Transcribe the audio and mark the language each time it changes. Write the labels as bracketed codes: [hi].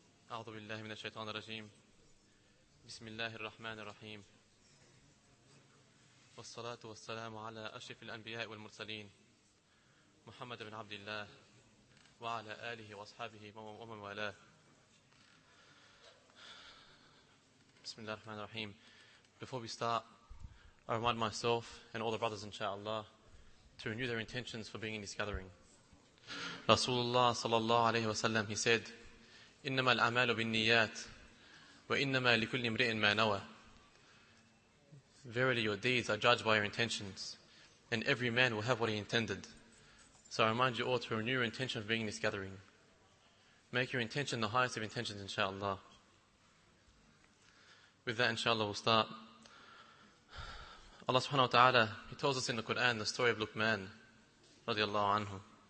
[ar] أعوذ بالله من الشيطان الرجيم. بسم الله الرحمن الرحيم، والصلاة والسلام على أشرف الأنبياء والمرسلين محمد بن عبد الله وعلى آله وأصحابه ومن والاه. بسم الله الرحمن الرحيم. [en] Before we start, I remind myself and all the brothers inshallah to renew their intentions for being in this gathering. [ar] Rasulullah sallallahu alayhi wa sallam, [en] he said, [ar] إنما الأعمال بالنيات وإنما لكل امرئ ما نوى. [en] Verily your deeds are judged by your intentions, and every man will have what he intended. So I remind you all to renew your intention of being in this gathering. Make your intention the highest of intentions, inshallah. With that, inshallah, we'll start. Allah subhanahu wa ta'ala, he tells us in the Quran the story of Luqman radiallahu anhu.